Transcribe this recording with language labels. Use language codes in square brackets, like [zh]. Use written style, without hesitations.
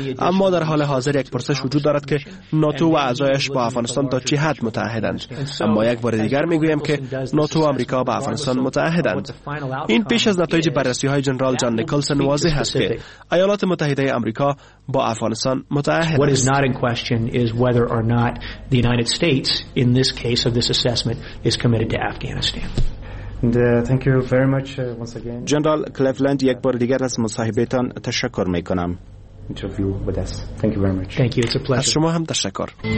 [fa] اما در حال حاضر یک پرسش وجود دارد که ناتو و اعضایش با افغانستان تا چه حد متعهدند. اما یک بار دیگر می گویم که ناتو و آمریکا با افغانستان متعهدند. این پیش از نتایج بررسی های جنرال جان نیکلسن واضح است که ایالات متحده آمریکا با افغانستان متعهد. [en] What is not in question is whether or not the United States in this case of this assessment is committed to Afghanistan. And thank you very much once again. [fa] جنرال کلیفلند، یک بار دیگر از مصاحبتان تشکر می کنم. [en] Interview with us. Thank you very much. Thank you. It's a pleasure. [fa] از شما هم تشکر.